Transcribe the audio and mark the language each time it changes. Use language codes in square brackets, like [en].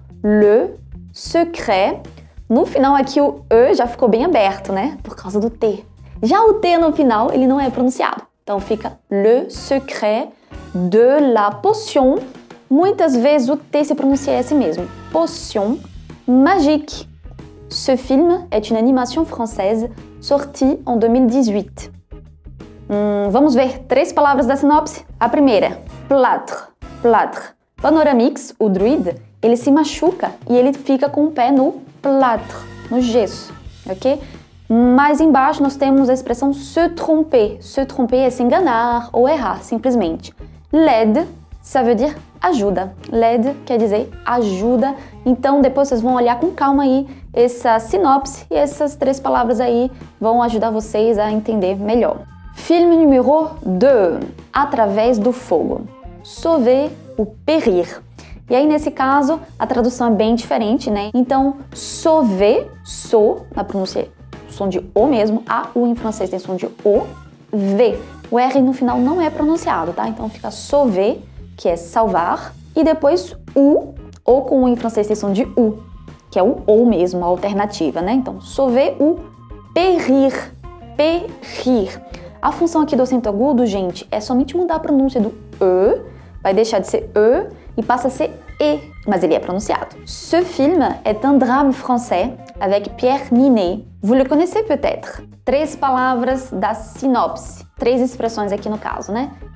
[pt] Le Secret. No final aqui o E já ficou bem aberto, né? Por causa do T. Já o T no final, ele não é pronunciado. Então fica Le Secret de la Potion. Muitas vezes o T se pronuncia assim mesmo. [fr] Potion Magique. Ce film est une animation française sortie en 2018. [pt] Vamos ver 3 palavras da sinopse. A primeira, plâtre, plâtre. Panoramix, o druide, ele se machuca e ele fica com o pé no plâtre, no gesso, ok? Mais embaixo nós temos a expressão se tromper. Se tromper é se enganar ou errar, simplesmente. [fr] L'aide, ça veut dire ajuda. [pt] L'aide quer dizer ajuda. Então depois vocês vão olhar com calma aí essa sinopse e essas 3 palavras aí vão ajudar vocês a entender melhor. [fr] Film numéro 2, Através do Fogo. Sauver ou périr. [pt] E aí, nesse caso, a tradução é bem diferente, né? Então, sauver, sou, na pronúncia, som de O mesmo, A, U em francês tem som de O, V. O R no final não é pronunciado, tá? Então fica sauver, que é salvar, e depois U, ou com U em francês tem som de U, que é o O mesmo, a alternativa, né? [fr] Então, sauver ou périr, périr. [pt] A função aqui do acento agudo, gente, é somente mudar a pronúncia do E, vai deixar de ser E e passa a ser E, mas ele é pronunciado. [fr] Ce film est un drame français avec Pierre Niney. Vous le connaissez peut-être? [pt] 3 palavras da sinopse, 3 expressões aqui no caso, né?